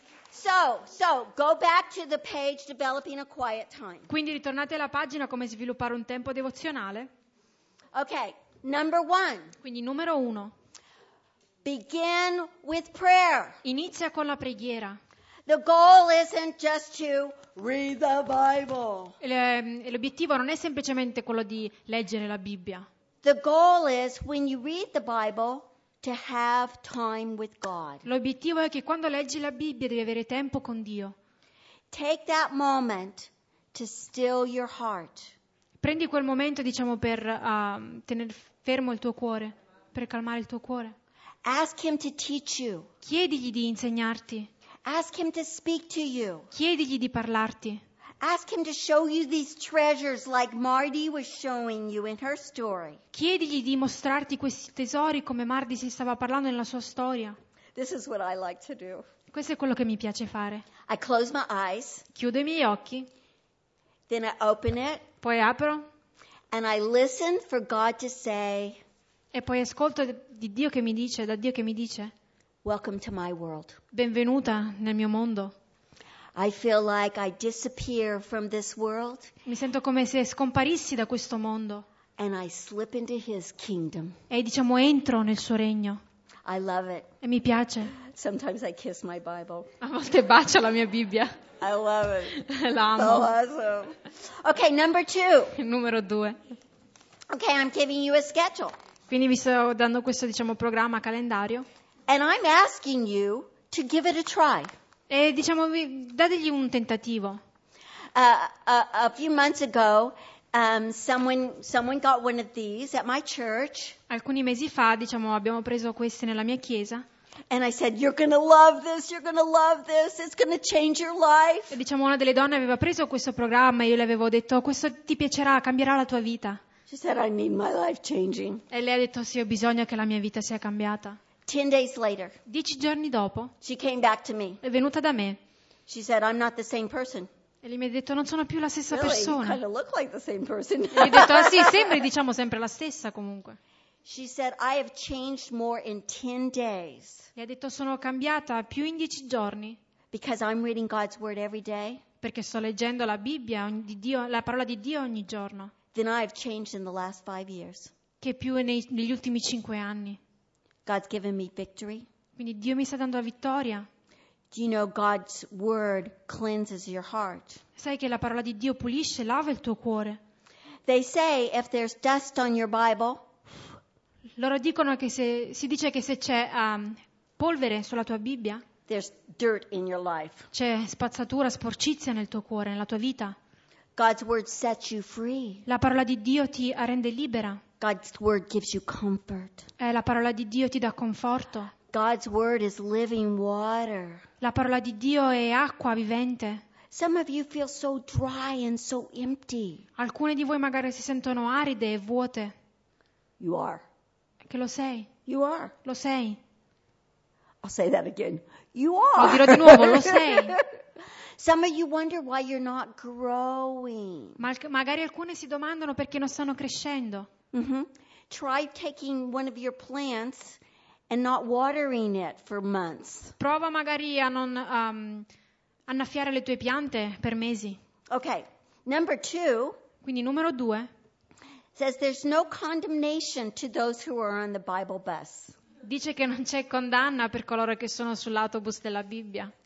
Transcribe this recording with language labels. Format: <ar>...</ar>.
<en>So go back to the page developing a quiet time.</en> <it>Quindi ritornate alla pagina come sviluppare un tempo devozionale.</it> <en>Okay. Number one.</en> <it>Quindi numero uno.</it> <en>Begin with prayer.</en> <it>Inizia con la preghiera.</it> <en>The goal isn't just to read the Bible.</en> <it>L'obiettivo non è semplicemente quello di leggere la Bibbia.</it> <en>The goal is when you read the Bible to have time with God.</en> <it>L'obiettivo è che quando leggi la Bibbia devi avere tempo con Dio.</it> <en>Take that moment to still your heart.</en> <it>Prendi quel momento, diciamo, per tenere fermo il tuo cuore, per calmare il tuo cuore.</it> <en>Ask him to teach you.</en> <it>Chiedigli di insegnarti.</it> <en>Ask him to speak to you.</en> <it>Chiedigli di parlarti.</it> <en>Ask him to show you these treasures like Mardi was showing you in her story.</en> <it>Chiedigli di mostrarti questi tesori come Mardi si stava parlando nella sua storia.</it> <en>This is what I like to do.</en> <it>Questo è quello che mi piace fare.</it> <en>I close my eyes.</en> <it>Chiudo i miei occhi.</it> <en>Then I open it.</en> <it>Poi apro.</it> <en>And I listen for God to say.</en> <it>E poi ascolto di Dio che mi dice, da Dio che mi dice.</it> <en>Welcome to my world.</en> <it>Benvenuta nel mio mondo.</it> <en>I feel like I disappear from this world.</en> <it>Mi sento come se scomparissi da questo mondo.</it> <en>And I slip into his kingdom.</en> <it>E diciamo entro nel suo regno.</it> <en>I love it.</en> <it>E mi piace.</it> <en>Sometimes I kiss my Bible.</en> <it>A volte bacio la mia Bibbia.</it> <en>I love it.</en> <it>L'amo.</it> <en>So awesome. Okay, number two.</en> <it>Numero due.</it> <en>Okay, I'm giving you a schedule.</en> <it>Quindi vi sto dando questo, diciamo, programma, calendario.</it> <en>And I'm asking you to give it a try.</en> <it>E diciamo, dategli un tentativo.</it> <en>A few months ago, someone got one of these at my church.</en> <it>Alcuni mesi fa, diciamo, abbiamo preso queste nella mia chiesa.</it> <en>And I said, you're gonna love this, you're gonna love this, it's gonna change your life.</en> <it>E diciamo, una delle donne aveva preso questo programma e io le avevo detto, questo ti piacerà, cambierà la tua vita.</it> <en>She said, I need my life changing.</en> <it>E lei ha detto, sì, ho bisogno che la mia vita sia cambiata.</it> <en>10 days later.</en> <it>10 giorni dopo.</it> <en>She came back to me.</en> <it>È venuta da me.</it> <en>She said, I'm not the same person.</en> <it>E lei mi ha detto, non sono più la stessa</it> <en>really?</en> <it>Persona.</it> <en>You kind of look like the same person.</en> <it>E ho detto, ah sì, sembri, diciamo, sempre la stessa comunque.</it> <en>She said, I have changed more in 10 days.</en> <it>Le ha detto, sono cambiata più in 10 giorni.</it> <en>Because I'm reading God's word every day.</en> <it>Perché sto leggendo la Bibbia, di Dio, la parola di Dio ogni giorno.</it> <en>Then I have changed in the last 5 years.</en> <it>Che più negli ultimi 5 anni.</it> <en>God's given me victory.</en> <it>Quindi Dio mi sta dando la vittoria.</it> <en>Do you know God's word cleanses your heart?</en> <it>Sai che la parola di Dio pulisce, lava il tuo cuore.</it> <en>They say if there's dust on your Bible.</en> <it>Loro dicono che se si dice che se c'è polvere sulla tua Bibbia,</it> <en>there's dirt in your life.</en> <it>C'è spazzatura, sporcizia nel tuo cuore, nella tua vita.</it> <en>God's word sets you free.</en> <it>La parola di Dio ti rende libera.</it> <en>God's word gives you comfort.</en> <it>La parola di Dio ti dà conforto.</it> <en>God's word is living water.</en> <it>La parola di Dio è acqua vivente.</it> <en>Some of you feel so dry and so empty.</en> <it>Alcune di voi magari si sentono aride e vuote.</it> <en>You are.</en> <it>Che lo sei.</it> <en>You are.</en> <it>Lo sei.</it> <en>I'll say that again. You are.</en> <it>Lo dirò di nuovo, lo sei.</it> <en>Some of you wonder why you're not growing.</en> <it>Magari alcune si domandano perché non stanno crescendo. Mm-hmm.</it> <en>Try taking one of your plants and not watering it for months.</en> <it>Prova magari a non annaffiare le tue piante per mesi.</it> <en>Okay. Number two.</en> <it>Quindi numero due.</it> <en>Says there's no condemnation to those who are on the Bible bus.</en> <it>Dice che non c'è condanna per coloro che sono sull'autobus della Bibbia.</it>